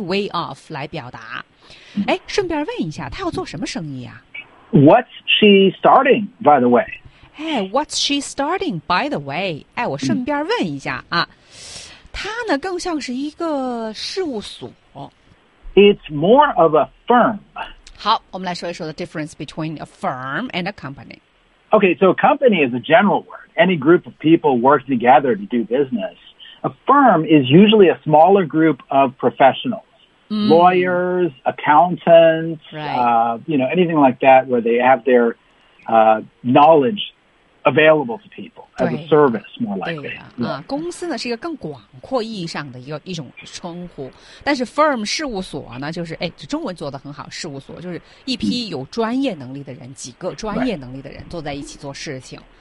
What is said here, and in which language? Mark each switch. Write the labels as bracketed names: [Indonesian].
[English] be way off [Chinese] 来表达。哎，顺便问一下，他要做什么生意啊 [English] ？What's she starting, by the way? Hey, what's she starting, by the way? [Chinese] 哎，我顺便问一下啊，它呢更像是一个事务所。 [English] It's more of a firm. [Chinese] 好，我们来说一说 [English] the difference between a firm and a company. Okay, so a company is a general word. Any group of people work together to do business. A firm is usually a smaller group of professionals. Lawyers, accountants,、 right. You know, anything like that where they have their knowledge. Available to people as a service, more likely. [Chinese] 对呀、啊，啊、公司呢是一个更广阔意义上的一种称呼，但是 firm 事务所呢，就是哎，中文做得很好，事务所就是一批有专业能力的人，几个专业能力的人坐在一起做事情。